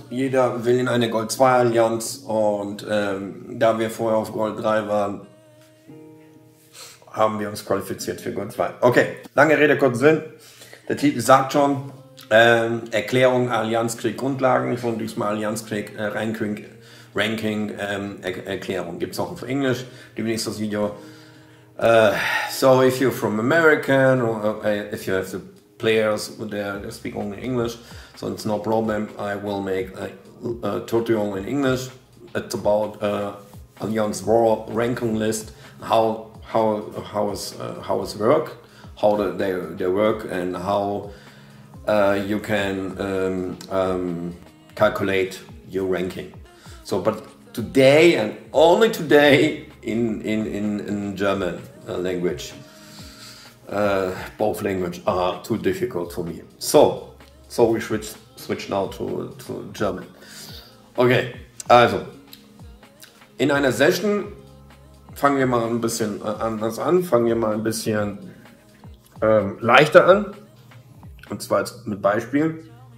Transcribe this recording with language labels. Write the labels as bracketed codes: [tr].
[de] Jeder will in eine Gold-2-Allianz und da wir vorher auf Gold-3 waren, haben wir uns qualifiziert für Gold-2. Okay, lange Rede, kurzer Sinn. Der Titel sagt schon, Erklärung Allianzkrieg Grundlagen von diesmal Allianzkrieg Ranking Erklärung. Gibt es auch auf Englisch, demnächst das Video. [en] So, if you're from American, or if you have the players, they speak only English, so it's no problem, I will make a tutorial in English. It's about Allianz war ranking list, how it works. How they work and how you can calculate your ranking. So, but today and only today in German language, both languages are too difficult for me. So we switch now to German. [de] Okay, also in einer Session fangen wir mal ein bisschen anders an. Fangen wir mal ein bisschen leichter an, und zwar mit Beispielen.